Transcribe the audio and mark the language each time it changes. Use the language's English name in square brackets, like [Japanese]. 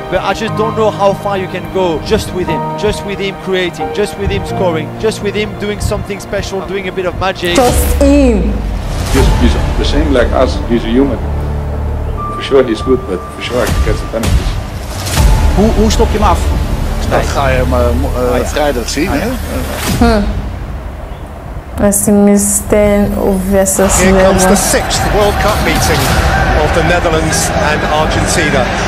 [English] But I just don't know how far you can go just with him. Just with him creating, just with him scoring, just with him doing something special, doing a bit of magic. Just him. He's the same like us. He's a human. For sure he's good, but for sure I can catch the penalties. Who stop him off? [Dutch] Nee. Dat ga je hem vrijdag zien, hè? [English] Messi missed 10 versus here comes the 6th World Cup meeting of the Netherlands and Argentina.